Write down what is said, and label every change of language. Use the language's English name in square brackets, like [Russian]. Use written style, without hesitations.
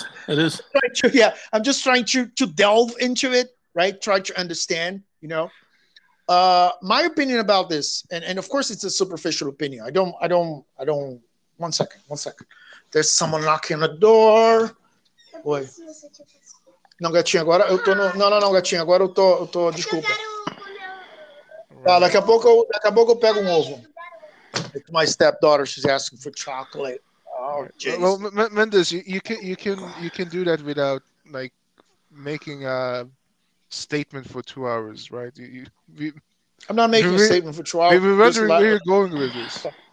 [English] It is I'm just trying to delve into it, right? Try to understand, you know, my opinion about this, and of course it's a superficial opinion. I don't one second, there's someone knocking on the door. [Portuguese] Oi. Não, gatinho, agora eu tô no... não, gatinho, agora eu tô desculpa. Tá, daqui a pouco eu pego um ovo. [English] It's my stepdaughter, she's asking for chocolate. Oh, well, Mendes, you can do that without like making a statement for 2 hours, right? I'm not making a statement for 2 hours. We're wondering where you're going with this.